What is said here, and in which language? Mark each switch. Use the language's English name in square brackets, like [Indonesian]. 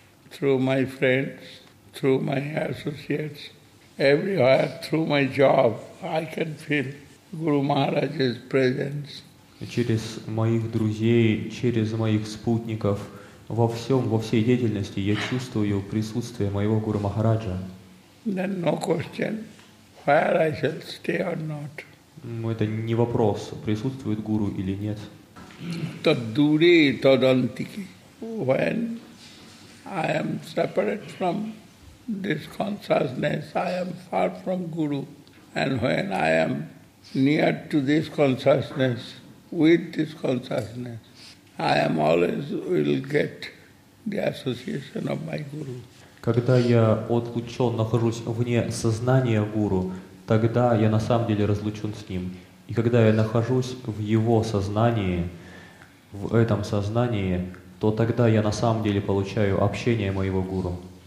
[English] Through my friends, through my associates, everywhere, through my job, I can feel Guru Maharaj's presence. [Russian] Через моих друзей, через моих спутников, во всем, во всей деятельности я чувствую присутствие моего Гуру Махараджа. [English] Then no question where I shall stay or not. [Russian] Это не вопрос, присутствует Гуру или нет. [Sanskrit] Таддури тадантики. [English] When I am separate from this consciousness, I am far from Guru. And when I am near to this consciousness, with this consciousness, I am always will get the association of my Guru. [Russian] Когда я отлучен, нахожусь вне сознания Гуру, тогда я на самом деле разлучен с Ним. И когда я нахожусь в Его сознании, в этом сознании, то тогда я на самом деле получаю общение моего Гуру.